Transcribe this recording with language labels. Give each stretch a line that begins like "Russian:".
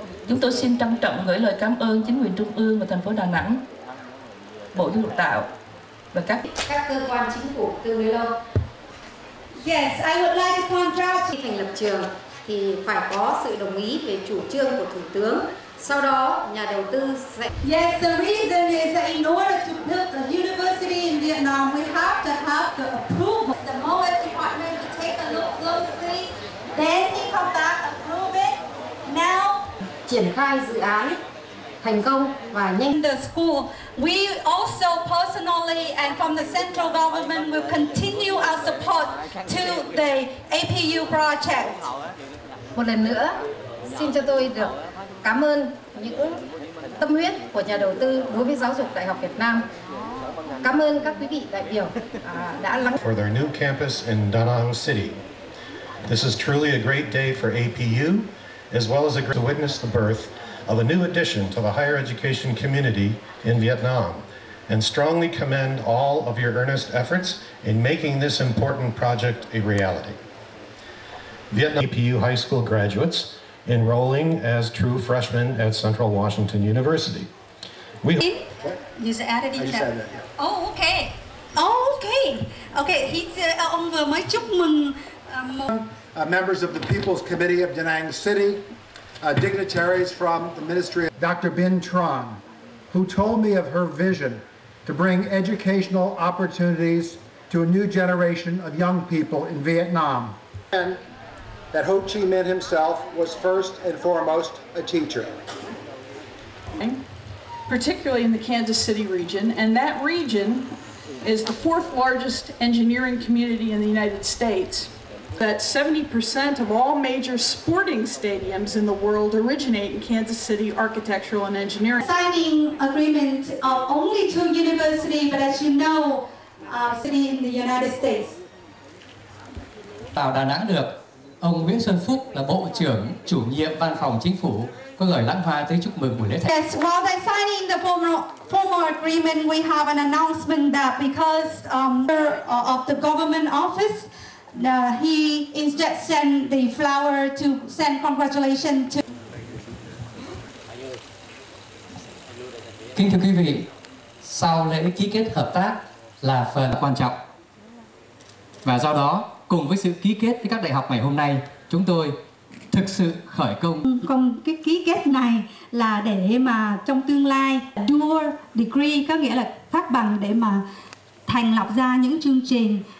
Vietnamese: Chúng tôi xin trân trọng gửi lời cảm ơn chính quyền trung ương và thành phố Đà Nẵng, Bộ Giáo dục Tạo và các cơ quan chính phủ từ lâu.
English: Yes, I would like to point out
Vietnamese: khi thành lập trường thì phải có sự đồng ý về chủ trương của thủ tướng. Sau đó, nhà đầu tư sẽ.
English: Yes, the reason is that in order to build the university in Vietnam, we have to have the approval. The moment the department will take a look closely, then he come back approve it. Now,
Vietnamese: triển khai dự án thành công và nhanh.
English: The school, we also personally and from the central government will continue our support to the APU project.
Vietnamese: Một lần nữa, xin cho tôi được cảm ơn những tâm huyết của nhà đầu tư đối với giáo dục Đại học Việt Nam. Cảm ơn các quý vị đại biểu đã lắng
English: for their new campus in Da Nang City. This is truly a great day for APU, as well as a great to witness the birth of a new addition to the higher education community in Vietnam, and strongly commend all of your earnest efforts in making this important project a reality. Vietnam APU High School graduates enrolling as true freshmen at Central Washington University. We hope. You just added in that. Oh, okay. Oh, okay. Okay, he's
Vietnamese: ông vừa mới chúc mừng
English: members of the People's Committee of Da Nang City, dignitaries from the Ministry of Dr. Binh Truong, who told me of her vision to bring educational opportunities to a new generation of young people in Vietnam. And that Ho Chi Minh himself was first and foremost a teacher. Particularly in the Kansas City region, and that region is the fourth largest engineering community in the United States. That 70% of all major sporting stadiums in the world originate in Kansas City architectural and engineering. Signing agreement of only two universities, but as you know, city in the United States.
Vietnamese: Vào Đà Nẵng được, ông Nguyễn Xuân Phúc là Bộ trưởng Chủ nhiệm Văn phòng Chính phủ có gửi lãng hoa tới chúc mừng buổi lễ.
English: Yes, while they're signing the formal agreement, we have an announcement that because of the government office, he instead sent the flower to send congratulations to.
Vietnamese: Kính thưa quý vị, sau lễ ký kết hợp tác là phần quan trọng. Và do đó, cùng với sự ký kết với các đại học ngày hôm nay, chúng tôi thực sự khởi công. Còn cái ký kết này là để mà trong tương lai
English: dual degree,
Vietnamese: có nghĩa là phát bằng để mà thành lập ra những chương trình.